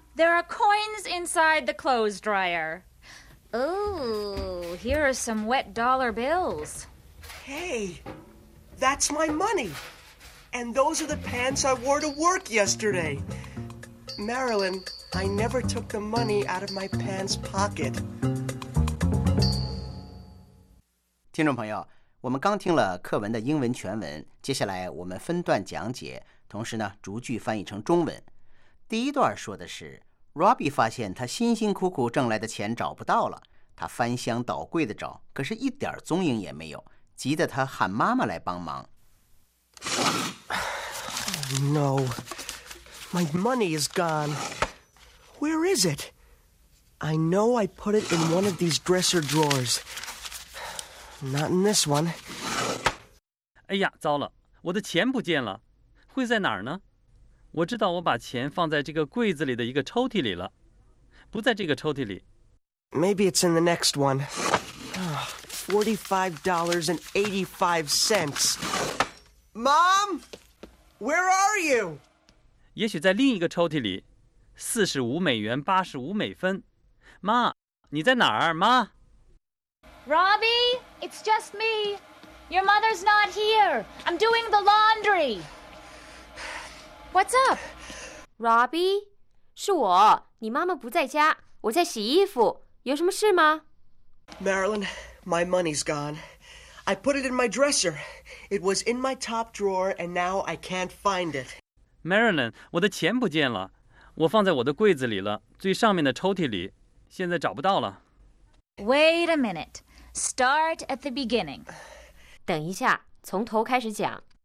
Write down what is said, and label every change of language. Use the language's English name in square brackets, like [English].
[English] There are coins inside the clothes dryer. Ooh, here are some wet dollar bills. Hey, that's my money. And those are the pants I wore to work yesterday. Marilyn, I never took the money out of my pants pocket. [Chinese] 听众朋友，我们刚听了课文的英文全文，接下来我们分段讲解，同时呢，逐句翻译成中文。第一段说的是 ，Robbie 发现他辛辛苦苦挣来的钱找不到了，他翻箱倒柜的找，可是一点踪影也没有，急得他喊妈妈来帮忙。 [English] Oh, no, my money is gone. Where is it? I know I put it in one of these dresser drawers. Not in this one. [Chinese] 哎呀，糟了，我的钱不见了，会在哪儿呢？我知道我把钱放在这个柜子里的一个抽屉里了，不在这个抽屉里。 [English] Maybe it's in the next one. $45.85. Mom, where are you? [Chinese] 也许在另一个抽屉里，$45.85。妈，你在哪儿？妈。 [English] Robbie, it's just me. Your mother's not here. I'm doing the laundry. What's up? [Chinese] Robbie, 是我。你妈妈不在家，我在洗衣服。有什么事吗？ [English] Marilyn, my money's gone. I put it in my dresser. It was in my top drawer, and now I can't find it. [Chinese] Marilyn, 我的钱不见了。我放在我的柜子里了，最上面的抽屉里，现在找不到了。 [English] Wait a minute. Start at the beginning. [Chinese] 等一下，从头开始讲。